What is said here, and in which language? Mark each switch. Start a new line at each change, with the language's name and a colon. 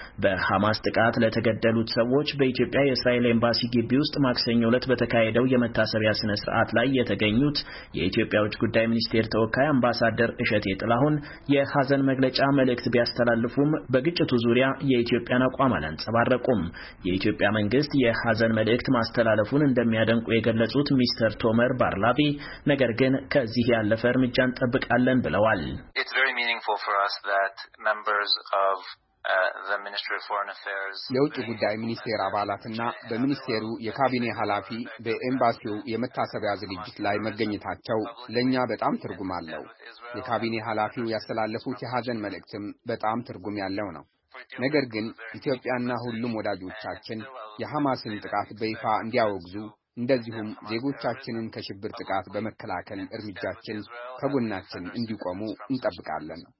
Amharic: በሐማስ ጥቃት ለተገደሉት ሰዎች በኢትዮጵያ የእስራኤል ኤምባሲ ግቢ ውስጥ ማክሰኞ ዕለት በተካሄደው የመታሰቢያ ስነ ስርዓት ላይ የተገኙት የኢትዮጵያ ውጭ ጉዳይ ሚኒስቴር ተወካይ አምባሳደር እሸቴ ጥላሁን የሐዘን መግለጫ መልእክት ቢያስተላልፉም በግጭቱ ዙሪያ የኢትዮጵያን አቋም አላንጸባረቁም። የኢትዮጵያ መንግስት የሐዘን መልእክት ማስተላለፉን እንደሚያደንቁ የገለጹት ሚስተር ቶመር ባርላቪ ነገር ግን ከዚህ ያለፈ እርምጃ እንጠብቃለን ብለዋል።
English: It's very meaningful for us that members of the Ministry of Foreign Affairs
Amharic: የውጭ ጉዳይ ሚኒስቴር አባላትና በሚኒስቴሩ የካቢኔ ኃላፊ በኤምባሲው የመታሰቢያ ዝግጅት ላይ መገኘታቸው ለኛ በጣም ትርጉም አለው። የካቢኔ ኃላፊው ያስተላለፉት የሐዘን መልእክትም በጣም ትርጉም ያለው ነው። ነገር ግን ኢትዮጵያና ሁሉም ወዳጆቻችን የሐማስን ጥቃት በይፋ እንዲያወግዙ እንደዚሁም ዜጎቻችንን ከሽብር ጥቃት በመከላከል እርምጃችን ከጎናችን እንዲቆሙ እንጠብቃለን።